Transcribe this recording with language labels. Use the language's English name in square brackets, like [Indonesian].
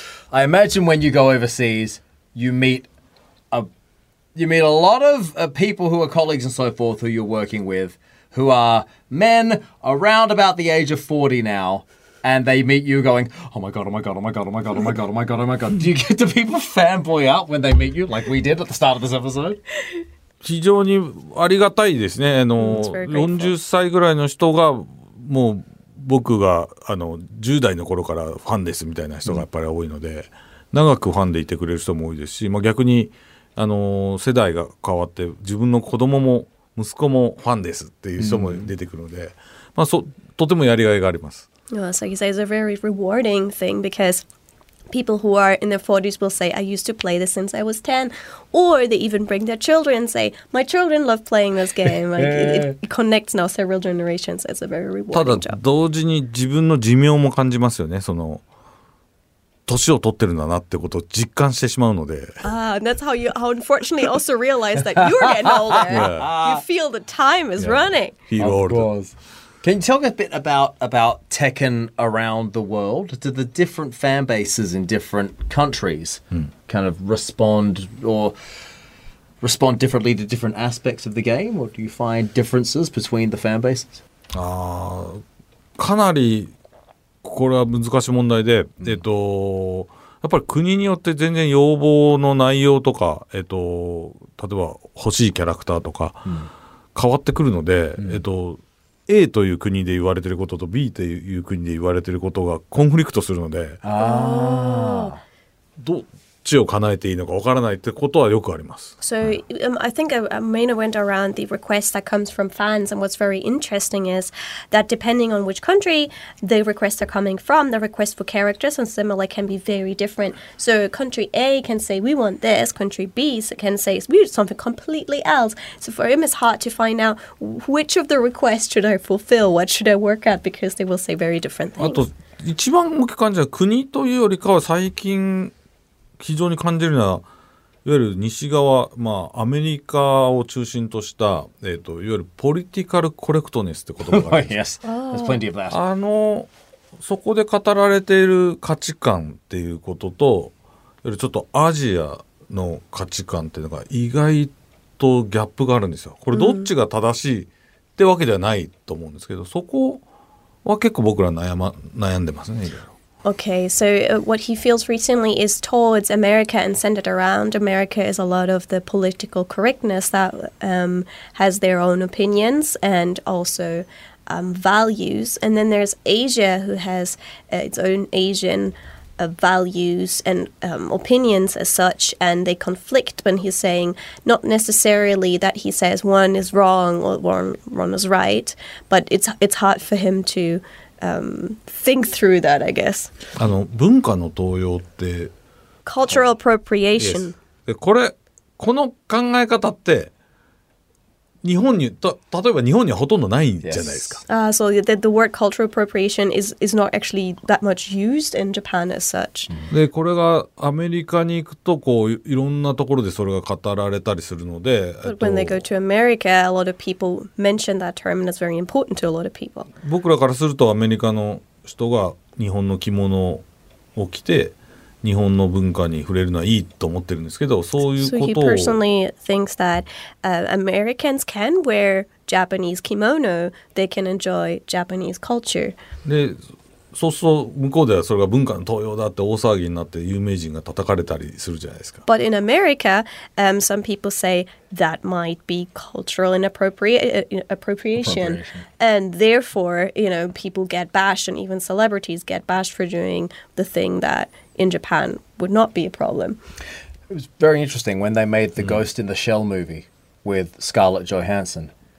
[English] I imagine when you go overseas, you meet a lot of people who are colleagues and so forth who you're working with, who are men around about the age of 40 now. And they meet you going, oh my God, oh my God, oh my God, oh my God, oh my God, oh my God, oh my God. Do people fanboy out when they meet you, like we did at the start of this episode? [Japanese] 非常にありがたいですね。40歳ぐらいの人が、もう僕が10代の頃からファンですみたいな人がやっぱり多いので、長くファンでいてくれる人も多いですし、まあ、逆に世代が変わって、自分の子供も息子もファンですっていう人も出てくるので、まあ、とてもやりがいがあります。 [English] Well, so he says it's a very rewarding thing because people who are in their 40s will say, I used to play this since I was 10. Or they even bring their children and say, my children love playing this game. Like it connects now several generations. It's a very rewarding job. [Japanese] ただ同時に自分の寿命も感じますよね。その年を取ってるんだなってことを実感してしまうので。 [English] And that's how you unfortunately also realize that you're getting older. Yeah. You feel the time is running. Feel old. Of course. Can you talk a bit about Tekken around the world? Do the different fan bases in different countries kind of respond differently to different aspects of the game? Or do you find differences between the fan bases? [Japanese] かなりこれは難しい問題で、やっぱり国によって全然要望の内容とか、例えば欲しいキャラクターとか変わってくるので、A という国で言われていることと B という国で言われていることがコンフリクトするので、どっちを叶えていいのかわからないってことはよくあります。 [English] So, I think I mainly went around the request that comes from fans, and what's very interesting is that depending on which country the requests are coming from, the request for characters and similar can be very different. So, country A can say, we want this, country B can say, we want something completely else. So, for him, it's hard to find out which of the requests should I fulfill, what should I work at, because they will say very different things. [Japanese] あと、一番大きい感じは国というよりかは最近非常に感じるのは、いわゆる西側、まあ、アメリカを中心とした、いわゆるポリティカルコレクトネスって言葉があるんです。 [English] Yes, there's plenty of that. [Japanese] そこで語られている価値観っていうことと、いわゆるちょっとアジアの価値観っていうのが意外とギャップがあるんですよ。これどっちが正しいってわけではないと思うんですけど、そこは結構僕ら悩んでますね、いろいろ。 [English] Okay, so what he feels recently is towards America and centered around America is a lot of the political correctness that has their own opinions and also values. And then there's Asia, who has its own Asian values and opinions as such, and they conflict when he's saying not necessarily that he says one is wrong or one is right, but it's hard for him to think through that, I guess. [Japanese] 文化の盗用って [English] Cultural appropriation. [Japanese] この考え方って日本に例えば日本にはほとんどないじゃないですか。 [English] So the word cultural appropriation is not actually that much used in Japan as such. [Japanese] で、これがアメリカに行くとこういろんなところでそれが語られたりするので、 [English] But when they go to America, a lot of people mention that term and it's very important to a lot of people. [Japanese] 僕らからするとアメリカの人が日本の着物を着て、日本の文化に触れるのはいいと思ってるんですけど、そういうことを。 [English] So he personally thinks that、Americans can wear Japanese kimono, they can enjoy Japanese culture. [Japanese] で、そうすると向こうではそれが文化の盗用だって大騒ぎになって有名人が叩かれたりするじゃないですか。 [English] But in America,、some people say that might be cultural appropriation. And therefore, you know, people get bashed and even celebrities get bashed for doing the thing that in Japan would not be a problem. It was very interesting when they made the、Ghost in the Shell movie with Scarlett Johansson.